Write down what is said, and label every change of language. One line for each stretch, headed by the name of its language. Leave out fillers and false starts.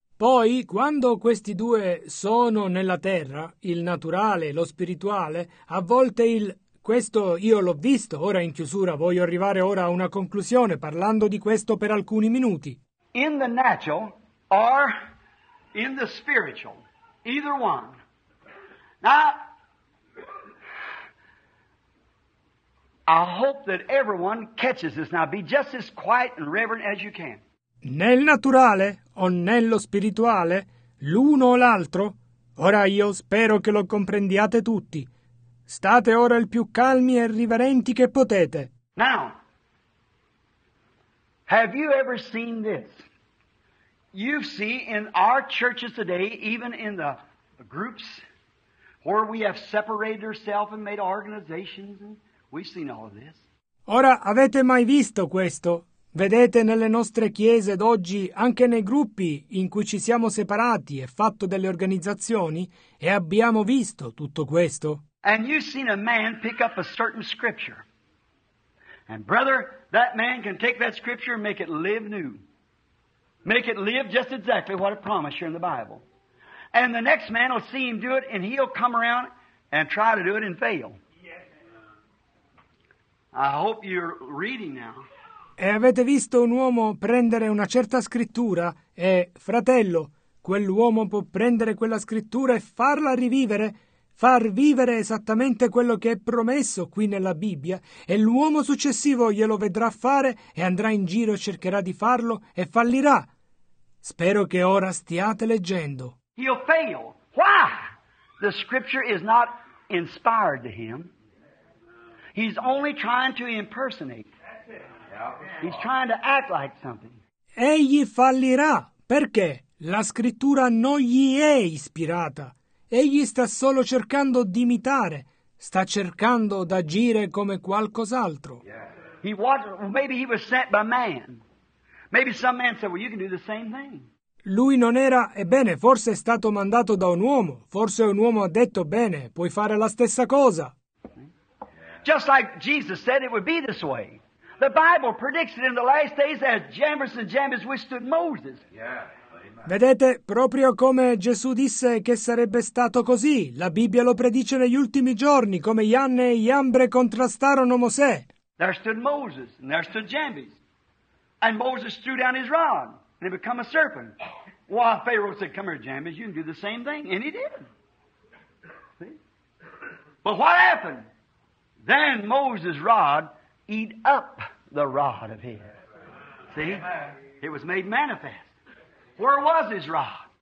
Italian: Poi, quando questi due sono nella terra, il naturale e lo spirituale, a volte questo io l'ho visto, ora in chiusura, voglio arrivare ora a una conclusione, parlando di questo per alcuni minuti.
English: In the natural, are in the spiritual, either one. Now, I hope that everyone catches this. Now, be just as quiet and reverent as you can.
Italian: Nel naturale o nello spirituale, l'uno o l'altro? Ora io spero che lo comprendiate tutti. State ora il più calmi e riverenti che potete.
English: Now, have you ever seen this? You see, in our churches today, even in the groups where we have separated ourselves and made organizations, we've seen all of this.
Italian: Ora, avete mai visto questo? Vedete nelle nostre chiese d'oggi, anche nei gruppi in cui ci siamo separati e fatto delle organizzazioni, e abbiamo visto tutto questo?
English: And you've seen a man pick up a certain scripture. And brother, that man can take that scripture and make it live new. Make it live just exactly what it promised you in the Bible. And the next man will see him do it, and he'll come around and try to do it and fail. I hope you're reading now.
Italian: E avete visto un uomo prendere una certa scrittura e, fratello, quell'uomo può prendere quella scrittura e farla rivivere, far vivere esattamente quello che è promesso qui nella Bibbia, e l'uomo successivo glielo vedrà fare e andrà in giro e cercherà di farlo e fallirà. Spero che ora stiate leggendo.
English: He'll fail. Why? The scripture is not inspired to him. He's only trying to impersonate. He's trying to act like something.
Italian: Egli fallirà. Perché? La scrittura non gli è ispirata. Egli sta solo cercando di imitare. Sta cercando d'agire come qualcos'altro.
English: He was, maybe he was sent by man. Maybe some man said, well, you can do the same thing.
Italian: Lui non era, ebbene, forse è stato mandato da un uomo. Forse un uomo ha detto, bene, puoi fare la stessa cosa.
English: Just like Jesus said it would be this way. The Bible predicts it in the last days as Jabez and Jabez withstood Moses.
Italian: Vedete, proprio come Gesù disse che sarebbe stato così. La Bibbia lo predice negli ultimi giorni, come Janne e Jambre contrastarono Mosè.
English: There stood Moses and there stood Jabez. And Moses threw down his rod, and he became a serpent. Why, Pharaoh said, come here, Jabez, you can do the same thing. And he did. See? But what happened? Then Moses' rod eat up the rod of his. See? It was made manifest. Where was his rod?